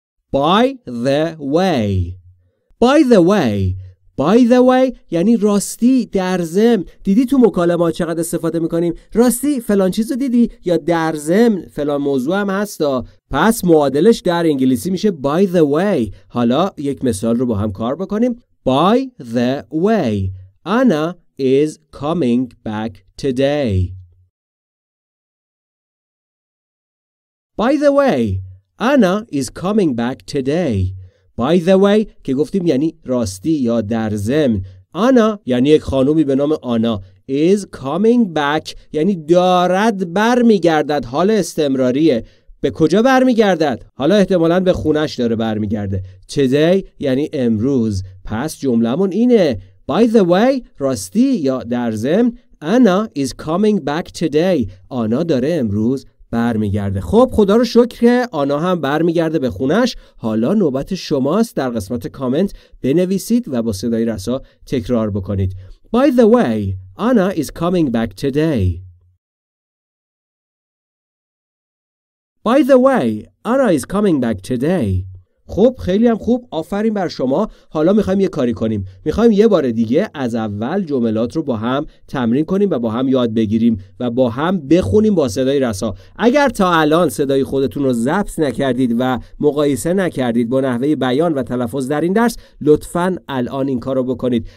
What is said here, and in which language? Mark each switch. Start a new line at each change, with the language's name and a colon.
English: By the way. By the way. By the way
Persian: یعنی راستی، در ضمن. دیدی تو مکالمه چقدر استفاده میکنیم؟ راستی فلان چیزو دیدی یا در ضمن فلان موضوع هم هستا. پس معادلش در انگلیسی میشه
English: by the way.
Persian: حالا یک مثال رو با هم کار بکنیم.
English: By the way Anna is coming back today. By the way Anna is coming back today. By the way
Persian: که گفتیم یعنی راستی یا در ضمن. آنا یعنی یک خانومی به نام آنا.
English: Is coming back
Persian: یعنی دارد برمیگردد، حال استمراریه. به کجا برمیگردد؟ حالا احتمالاً به خونش داره برمیگرده. Today یعنی امروز. پس جملمون اینه.
English: By the way
Persian: راستی یا در ضمن.
English: Anna is coming back today.
Persian: آنا داره امروز برمیگرده. خب خدا رو شکر که آنا هم برمیگرده به خونش. حالا نوبت شماست، در قسمت کامنت بنویسید و با صدای رسا تکرار بکنید.
English: By the way Anna is coming back today. By the way Anna is coming back today.
Persian: خب خیلی هم خوب، آفرین بر شما. حالا میخوایم یه کاری کنیم، میخوایم یه بار دیگه از اول جملات رو با هم تمرین کنیم و با هم یاد بگیریم و با هم بخونیم با صدای رسا. اگر تا الان صدای خودتون رو ضبط نکردید و مقایسه نکردید با نحوه بیان و تلفظ در این درس، لطفاً الان این کار رو بکنید.